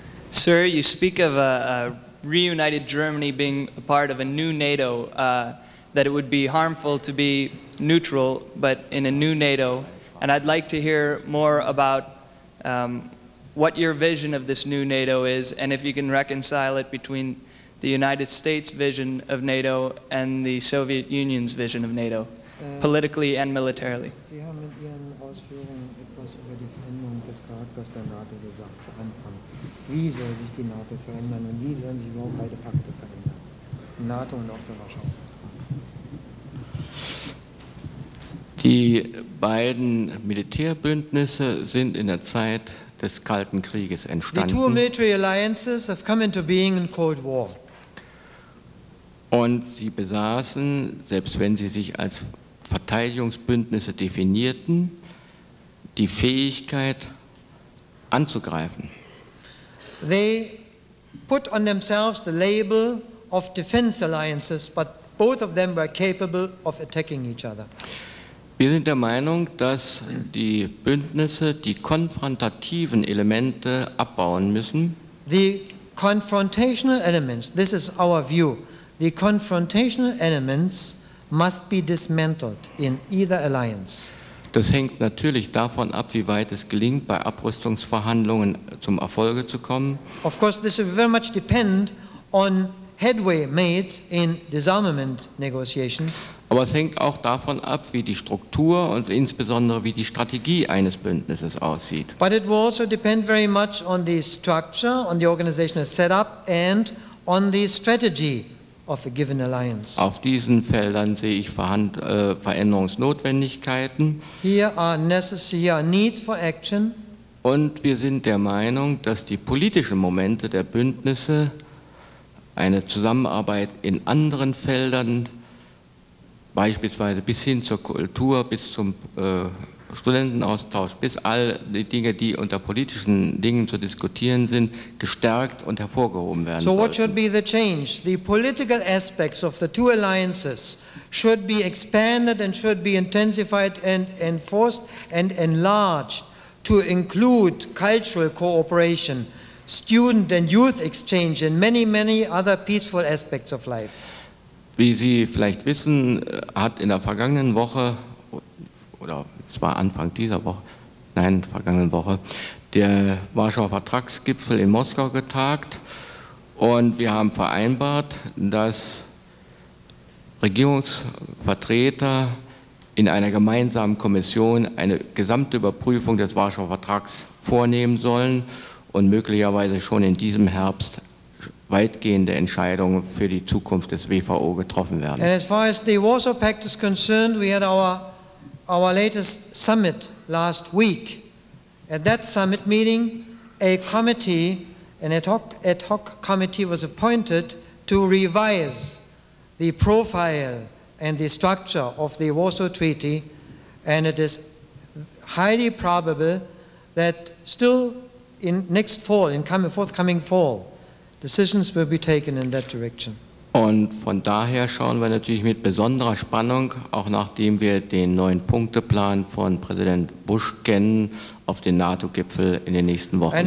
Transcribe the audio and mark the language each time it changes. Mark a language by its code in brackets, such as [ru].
[en] Sir, you speak of a reunited Germany being a part of a new NATO, that it would be harmful to be neutral, but in a new NATO. And I'd like to hear more about what your vision of this new NATO is, and if you can reconcile it between the United States' vision of NATO and the Soviet Union's vision of NATO, politically and militarily. [de] Sie haben mit Ihren Ausführungen etwas über die Veränderung des Charakters der NATO gesagt zu Anfang. Wie soll sich die NATO verändern und wie sollen sich überhaupt beide Pakte verändern? NATO und auch der Warschau. Die beiden Militärbündnisse sind in der Zeit des Kalten Krieges entstanden. [en] The two military alliances have come into being in Cold War. [de] Und sie besaßen, selbst wenn sie sich als Verteidigungsbündnisse definierten, die Fähigkeit anzugreifen. [en] They put on themselves the label of defense alliances, but both of them were capable of attacking each other. [de] Wir sind der Meinung, dass die Bündnisse die konfrontativen Elemente abbauen müssen. [en] The confrontational elements, this is our view. The confrontational elements must be dismantled in either alliance. [de] Das hängt natürlich davon ab, wie weit es gelingt, bei Abrüstungsverhandlungen zum Erfolge zu kommen. [en] Of course, this will very much depend on headway made in disarmament negotiations. [de] Aber es hängt auch davon ab, wie die Struktur und insbesondere wie die Strategie eines Bündnisses aussieht. [en] But it will also depend very much on the structure, on the organizational setup and on the strategy of a given alliance. [de] Auf diesen Feldern sehe ich Veränderungsnotwendigkeiten. [en] Here are needs for action. [de] Und wir sind der Meinung, dass die politischen Momente der Bündnisse eine Zusammenarbeit in anderen Feldern, beispielsweise bis hin zur Kultur, bis zum Studentenaustausch, bis all die Dinge, die unter politischen Dingen zu diskutieren sind, gestärkt und hervorgehoben werden sollten. [en] So what should be the change? The political aspects of the two alliances should be expanded and should be intensified and enforced and enlarged to include cultural cooperation, student and youth exchange and many, many other peaceful aspects of life. [de] Wie Sie vielleicht wissen, hat in der vergangenen Woche, oder es war Anfang dieser Woche, nein, vergangenen Woche, der Warschauer Vertragsgipfel in Moskau getagt. Und wir haben vereinbart, dass Regierungsvertreter in einer gemeinsamen Kommission eine gesamte Überprüfung des Warschauer Vertrags vornehmen sollen und möglicherweise schon in diesem Herbst weitgehende Entscheidungen für die Zukunft des WVO getroffen werden. [en] And as far as the Warsaw Pact is concerned, we had our latest summit last week. At that summit meeting, a committee, an ad hoc committee was appointed to revise the profile and the structure of the Warsaw Treaty, and it is highly probable that still in next fall, in forthcoming fall, decisions will be taken in that direction. [de] Und von daher schauen wir natürlich mit besonderer Spannung, auch nachdem wir den neuen Punkteplan von Präsident Bush kennen, auf den NATO-Gipfel in den nächsten Wochen.